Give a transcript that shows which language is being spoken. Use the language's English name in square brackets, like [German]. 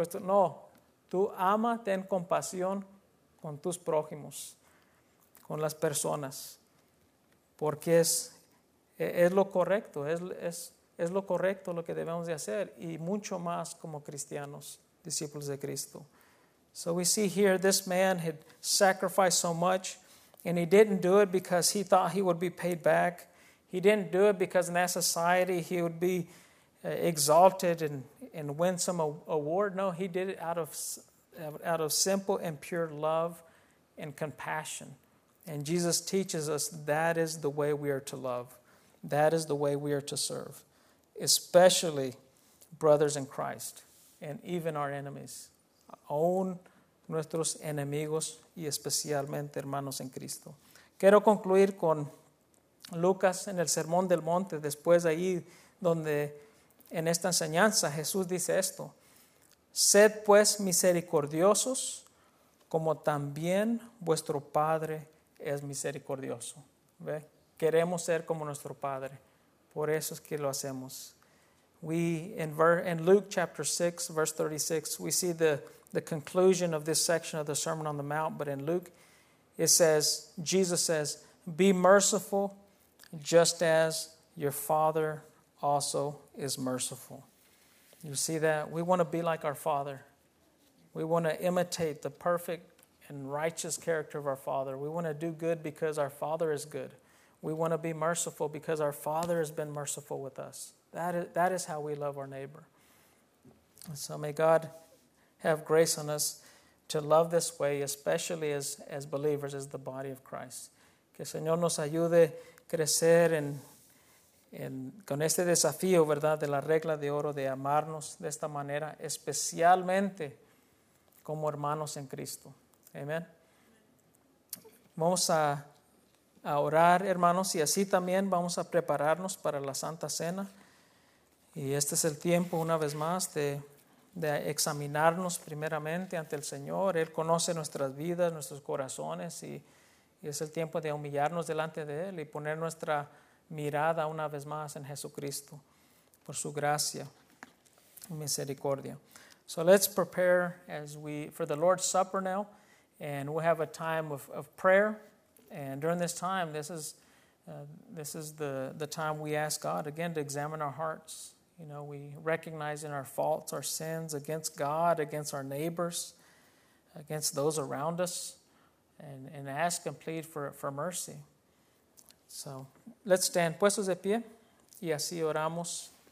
[Spanish] No, tú ama, ten compasión con tus prójimos, con las personas, porque es lo correcto, es lo correcto lo que debemos de hacer, y mucho más como cristianos, discípulos de Cristo. [English] So we see here this man had sacrificed so much, and he didn't do it because he thought he would be paid back. He didn't do it because in that society he would be exalted and win some award. No, he did it out of simple and pure love and compassion. And Jesus teaches us that is the way we are to love. That is the way we are to serve, especially brothers in Christ and even our enemies. [Spanish] Aún nuestros enemigos y especialmente hermanos en Cristo. Quiero concluir con Lucas en el Sermón del Monte, después ahí donde en esta enseñanza Jesús dice esto. Sed pues misericordiosos, como también vuestro Padre es misericordioso. ¿Ve? Queremos ser como nuestro Padre. Por eso es que lo hacemos. [English] In Luke chapter 6, verse 36, we see the conclusion of this section of the Sermon on the Mount. But in Luke, It says, Jesus says, be merciful just as your Father also is merciful. You see that? We want to be like our Father. We want to imitate the perfect and righteous character of our Father. We want to do good because our Father is good. We want to be merciful because our Father has been merciful with us. That is how we love our neighbor. So may God have grace on us to love this way, especially as believers, as the body of Christ. [Spanish] Que Señor nos ayude a crecer en con este desafío, ¿verdad?, de la regla de oro de amarnos de esta manera, especialmente como hermanos en Cristo. Amén. Vamos a orar, hermanos, y así también vamos a prepararnos para la Santa Cena. Y este es el tiempo, una vez más, de examinarnos primeramente ante el Señor. Él conoce nuestras vidas, nuestros corazones, y es el tiempo de humillarnos delante de Él y poner nuestra mirada una vez más en Jesucristo por su gracia y misericordia. [English] So let's prepare for the Lord's Supper now, and we'll have a time of prayer. And during this time, this is the time we ask God again to examine our hearts. You know, we recognize in our faults, our sins against God, against our neighbors, against those around us, and ask and plead for mercy. So let's stand [Spanish] puestos de pie y así oramos.